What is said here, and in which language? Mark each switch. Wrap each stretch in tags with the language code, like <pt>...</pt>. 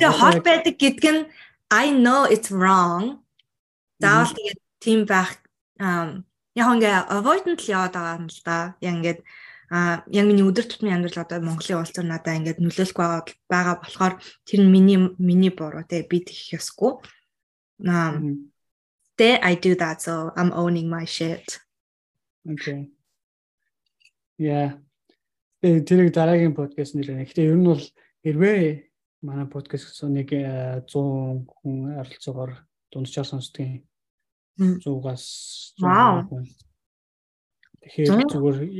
<mn>Тэгээ хол байдаг гэдэг нь</mn> <en>I know it's wrong.</en> <mn>Заавал тэгээ тийм байх яг ингээд avoidant л яваад байгаа юм л да. Яг ингээд яг миний өдөр тутмын амьдрал одоо Монголын улсаар надаа ингээд нөлөөлөхгүй байгаа болохоор тэр нь миний буруу те би тэгэх ёсгүй.</mn> <en>I do that, so I'm owning my shit. Okay. Yeah.</en> <mn>Тэрийг дараагийн подкаст нэр нэ. Гэхдээ ер нь бол хэрвээ манай подкаст нэг 100 хүн оролцоогоор дунджаар сонсдгийн 100-аас 100 хүн. Тэгэхээр зүгээр.</mn>